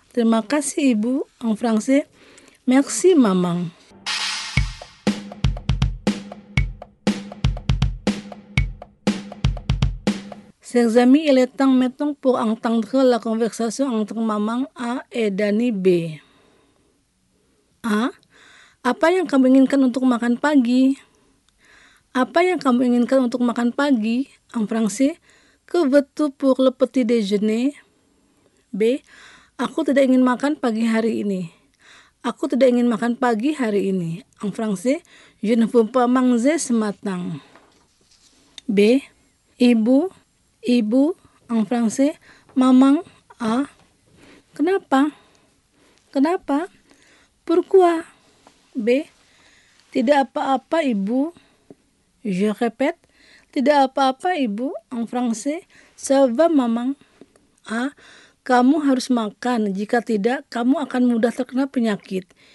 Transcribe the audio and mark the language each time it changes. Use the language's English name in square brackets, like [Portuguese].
[Indonesian] Terima kasih, Ibu. [French] En français, merci, maman. Chers amis, il est temps maintenant pour entendre la conversation entre maman A et Dani B. [Indonesian] A, apa yang kamu inginkan untuk makan pagi? Apa yang kamu inginkan untuk makan pagi? [French] En français, que veux-tu pour le petit déjeuner? [Indonesian] B, aku tidak ingin makan pagi hari ini. Aku tidak ingin makan pagi hari ini. [French] En français, je ne veux pas manger ce matin. [Indonesian] B, ibu, ibu. [French] En français, maman. [Indonesian] A, kenapa? Kenapa? [French] Pourquoi? [Indonesian] B, tidak apa-apa, ibu. [French] Je répète, [Indonesian] tidak apa-apa ibu, [French] en français, ça va maman. [Indonesian] A, kamu harus makan, jika tidak, kamu akan mudah terkena penyakit.